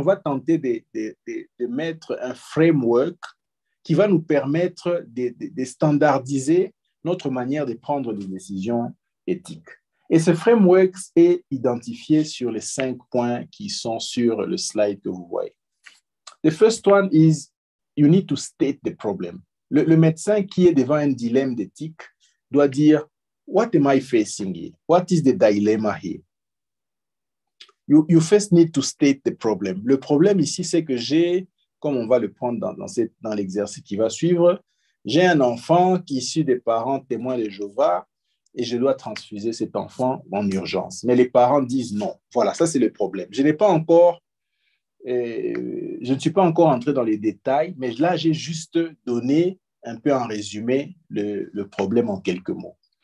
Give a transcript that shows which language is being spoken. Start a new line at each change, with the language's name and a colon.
French: On va tenter de mettre un framework qui va nous permettre de standardiser notre manière de prendre des décisions éthiques. Et ce framework est identifié sur les 5 points qui sont sur le slide que vous voyez.
English: The first one is you need to state the problem.
French: Le médecin qui est devant un dilemme d'éthique doit dire,
English: What am I facing here? What is the dilemma here? You first need to state the problem.
French: Le problème ici, c'est que j'ai. Comme on va le prendre dans l'exercice qui va suivre, j'ai un enfant qui est issu des parents témoins de Jéhovah et je dois transfuser cet enfant en urgence. Mais les parents disent non. Voilà, ça c'est le problème. Je ne suis pas encore entré dans les détails, mais là j'ai juste donné un peu en résumé le problème en quelques mots.